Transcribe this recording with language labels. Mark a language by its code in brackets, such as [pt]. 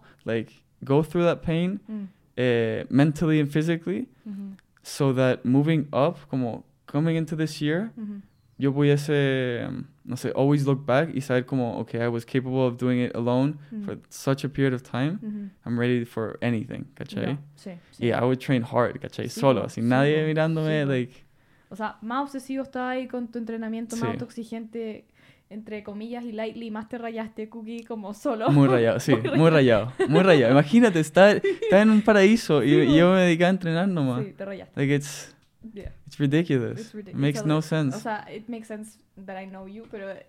[en] Struggle, like go through that pain, mentally and physically, so that moving up, como coming into this year, [es] yo pudiese, no sé, [en] always look back [es] y saber como, [en] okay, I was capable of doing it alone for such a period of time, I'm ready for anything, ¿cachai? [es] Yeah, sí, sí. Y [en] I would train hard, [es] ¿cachai? Sí, solo, sin nadie mirándome, like... O sea, más obsesivo estaba ahí con tu entrenamiento, más autoexigente, entre comillas, y lightly, más te rayaste, Cookie, como solo. Muy rayado, sí, muy rayado, muy rayado. Imagínate, está en un paraíso y, sí, y yo me dedicaba a entrenar nomás. Sí, te rayaste. [en] Like, it's... Yeah. It's ridiculous. It's ridiculous. It makes no sense. O sea, it makes sense that I know you, pero...